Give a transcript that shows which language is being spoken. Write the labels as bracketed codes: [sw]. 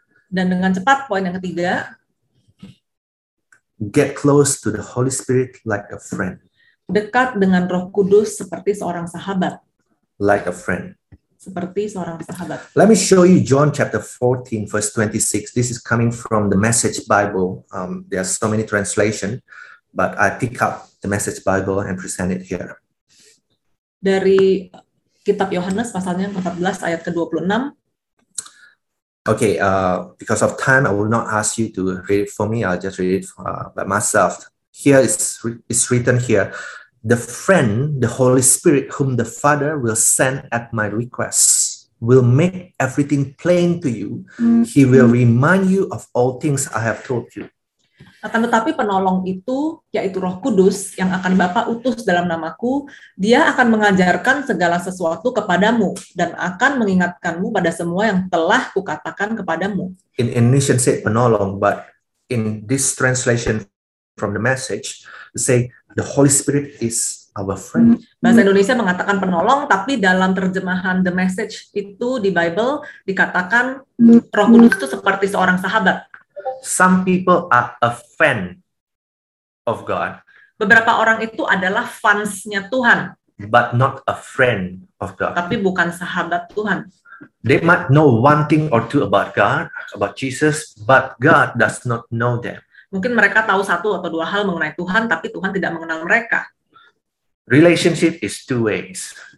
[id] Dan dengan cepat, poin yang ketiga, [en] get close to the Holy Spirit like a friend. [id] Dekat dengan Roh Kudus seperti seorang sahabat. [en] Like a friend. [id] Seperti seorang sahabat. [en] Let me show you John chapter 14, verse 26. This is coming from the Message Bible. There are so many translations, but I pick up the Message Bible and present it here. [id] Dari Kitab Yohanes, pasalnya 14, ayat ke-26. [en] Okay, because of time, I will not ask you to read it for me. I'll just read it by myself. Here it's written here. The friend, the Holy Spirit, whom the Father will send at my request, will make everything plain to you. Mm-hmm. He will remind you of all things I have told you. [id] Akan tetapi penolong itu, yaitu Roh Kudus, yang akan Bapa utus dalam namaku, dia akan mengajarkan segala sesuatu kepadamu, dan akan mengingatkanmu pada semua yang telah kukatakan kepadamu. [en] In Indonesian say penolong, but in this translation from the Message, say the Holy Spirit is our friend. [id] Bahasa Indonesia mengatakan penolong, tapi dalam terjemahan The Message itu di Bible, dikatakan Roh Kudus itu seperti seorang sahabat. [en] Some people are a fan of God. [id] Beberapa orang itu adalah fansnya Tuhan. [en] But not a friend of God. [id] Tapi bukan sahabat Tuhan. [en] They might know one thing or two about God, about Jesus, but God does not know them. [id] Mungkin mereka tahu satu atau dua hal mengenai Tuhan, tapi Tuhan tidak mengenal mereka. [en] Relationship is two ways.